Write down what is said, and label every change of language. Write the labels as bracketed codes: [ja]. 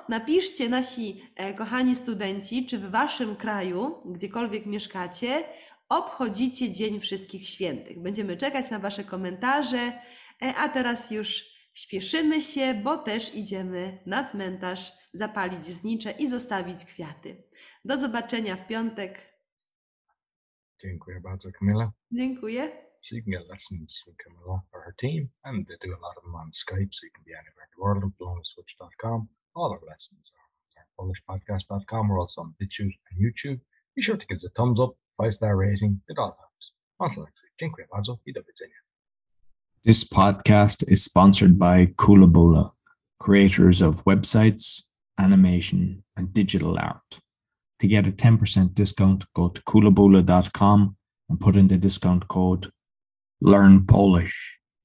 [pl] Napiszcie, nasi kochani studenci, czy w waszym kraju, gdziekolwiek mieszkacie, obchodzicie Dzień Wszystkich Świętych. Będziemy czekać na wasze komentarze, a teraz już śpieszymy się, bo też idziemy na cmentarz zapalić znicze i zostawić kwiaty. Do zobaczenia w piątek. Dziękuję bardzo, Kamila. Dziękuję. [en] Signal lessons from Kamila for her team, and they do a lot of them on Skype, so you can be anywhere in the world at blownswitch.com. All our lessons are on our polishpodcast.com. We're also on BitChute and YouTube. Be sure to give us a thumbs up, 5-star rating, it all helps. Until next week, [pl] dziękuję bardzo i do widzenia. [en] This podcast is sponsored by Koolaboola, creators of websites, animation, and digital art. To get a 10% discount, go to koolaboola.com and put in the discount code LearnPolish.